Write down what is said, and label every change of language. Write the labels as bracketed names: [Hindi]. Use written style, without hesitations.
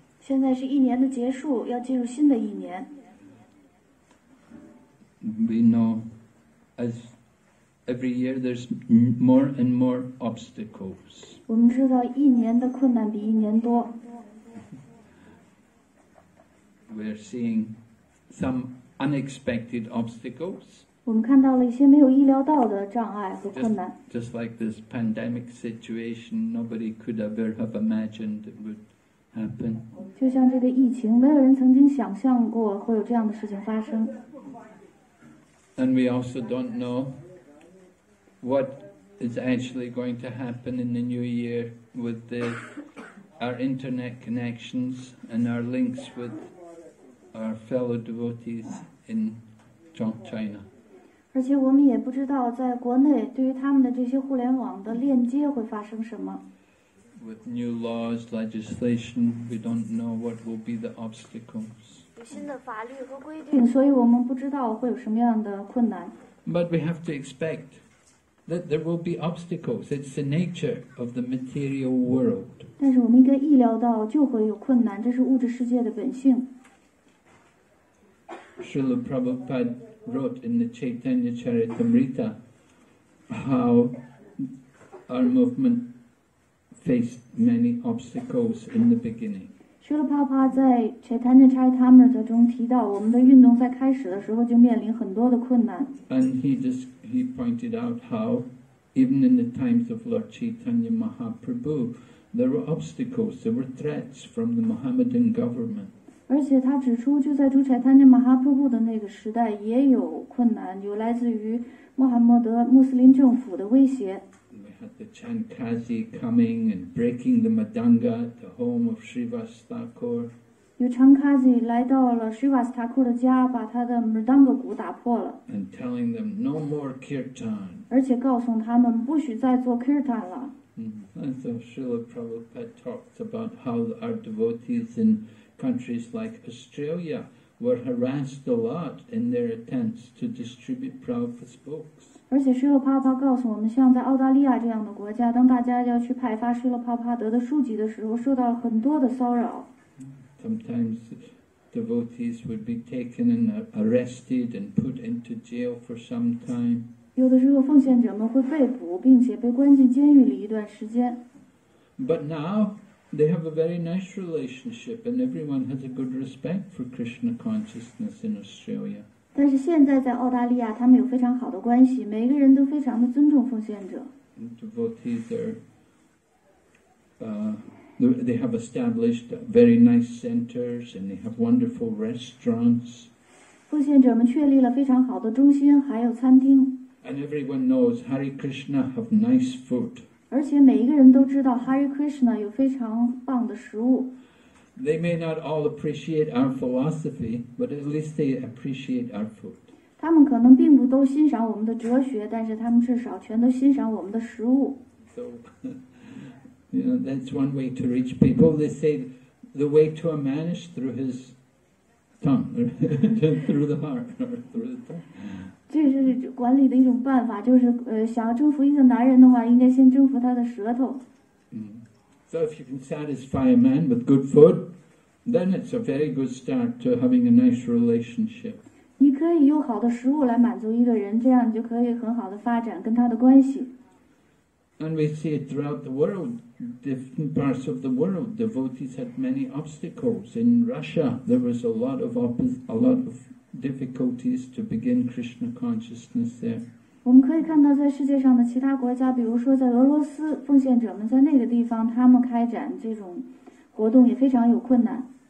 [Chinese] 现在是一年的结束，要进入新的一年。 [English] We know, as every year, there's more and more obstacles. [Chinese] 我们知道一年的困难比一年多。 [English] We're seeing some unexpected obstacles. [Chinese] 我们看到了一些没有意料到的障碍和困难。 [English] Just like this pandemic situation, nobody could ever have imagined it would happen. [Chinese] 就像这个疫情，没有人曾经想象过会有这样的事情发生。 [English] And we also don't know what is actually going to happen in the new year with our internet connections and our links with our fellow devotees in China. [Chinese] 而且我们也不知道在国内对于他们的这些互联网的链接会发生什么。 [English] With new laws, legislation, we don't know what will be the obstacles. [Chinese] 新的法律和规定，所以我们不知道会有什么样的困难。 [English] But we have to expect that there will be obstacles. It's the nature of the material world. [Chinese] 但是我们应该意料到就会有困难，这是物质世界的本性。 [English] Srila Prabhupada wrote in the Chaitanya Charitamrita how our movement faced many obstacles in the beginning. [Chinese] 薛勒帕帕在《查坦涅查尔塔米特》中提到，我们的运动在开始的时候就面临很多的困难。 [English] And he pointed out how, even in the times of Lord Chaitanya Mahaprabhu, there were obstacles, there were threats from the Mohammedan government. [Chinese] 而且他指出，就在主查坦涅马哈普布的那个时代，也有困难，有来自于穆罕默德穆斯林政府的威胁。 [English] The Chankasi coming and breaking the Madanga at the home of Srivas Thakur. [Chinese] 有 Chankasi 来到了 Srivas Thakur 的家，把他的 Madanga 鼓打破了。 [English] And telling them no more kirtan. [Chinese] 而且告诉他们不许再做 kirtan 了。 [English] And so Srila Prabhupada talked about how our devotees in countries like Australia were harassed a lot in their attempts to distribute Prabhupada's books. [Chinese] 而且施乐帕帕告诉我们，像在澳大利亚这样的国家，当大家要去派发施乐帕帕德的书籍的时候，受到了很多的骚扰。 [English] Sometimes devotees would be taken and arrested and put into jail for some time. [Chinese] 有的时候，奉献者们会被捕，并且被关进监狱里一段时间。 [English] But now they have a very nice relationship, and everyone has a good respect for Krishna consciousness in Australia. [Chinese] 但是现在在澳大利亚，他们有非常好的关系，每一个人都非常的尊重奉献者。 [English] Devotees are, they have established very nice centers and they have wonderful restaurants. [Chinese] 奉献者们确立了非常好的中心，还有餐厅。 [English] And everyone knows Hare Krishna have nice food. [Chinese] 而且每一个人都知道 Hare Krishna 有非常棒的食物。 [English] They may not all appreciate our philosophy, but at least they appreciate our food. [Chinese] 他们可能并不都欣赏我们的哲学，但是他们至少全都欣赏我们的食物。 [English] So, you know, that's one way to reach people. They say the way to a man is through his tongue, through the heart, or through the tongue. [Chinese] 这是管理的一种办法，就是想要征服一个男人的话，应该先征服他的舌头。 [English] So if you can satisfy a man with good food, then it's a very good start to having a nice relationship. [Chinese] 你可以用好的食物来满足一个人，这样你就可以很好的发展跟他的关系。 [English] And we see it throughout the world, different parts of the world, devotees had many obstacles. In Russia, there was a lot of difficulties to begin Krishna consciousness there. [Chinese] 我们可以看到在世界上的其他国家，比如说在俄罗斯，奉献者们在那个地方，他们开展这种活动也非常有困难。